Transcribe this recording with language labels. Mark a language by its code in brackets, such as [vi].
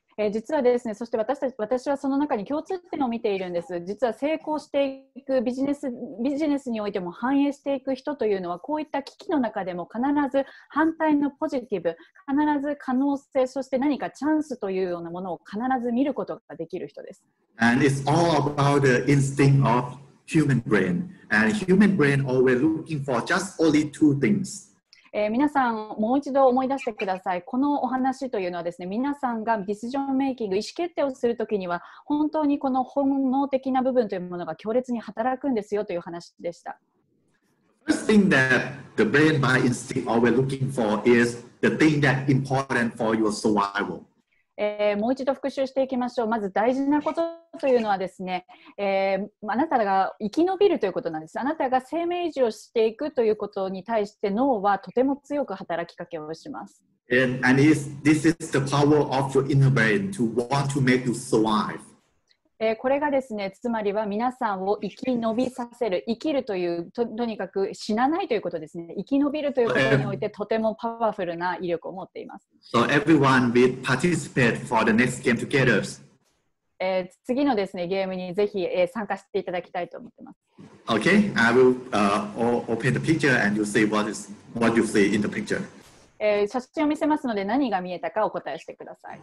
[ja] 実はですね、そして私はその中に共通点を見ているんです。実は成功していくビジネスにおいても繁栄していく人というのは、こういった危機の中でも必ず反対のポジティブ、必ず可能性、そして何かチャンスというようなものを必ず見ることができる人です。 [en] And it's all about the instinct of human brain. And human brain always looking for just only two things. [ja] 皆さんもう一度思い出してください。このお話というのはですね、皆さんがディシジョンメイキング、意思決定をするときには本当にこの本能的な部分というものが強烈に働くんですよという話でした。 [en] First thing that the brain by instinct always looking for is the thing that important for your survival. [ja] もう一度復習していきましょう。まず大事なことというのはですね、あなたが生き延びるということなんです。あなたが生命維持をしていくということに対して脳はとても強く働きかけをします。 [en] And this is the power of your inner brain to want to make you survive. [ja] これがですね、つまりは皆さんを生き延びさせる、生きるという とにかく死なないということですね。生き延びるということにおいてとてもパワフルな威力を持っています。 [en] So everyone will participate for the next game together. [ja] 次のですね、ゲームにぜひ、参加していただきたいと思っています。 [en] Okay, I will open the picture and you see what you see in the picture. [ja] 写真を見せますので何が見えたかお答えしてください。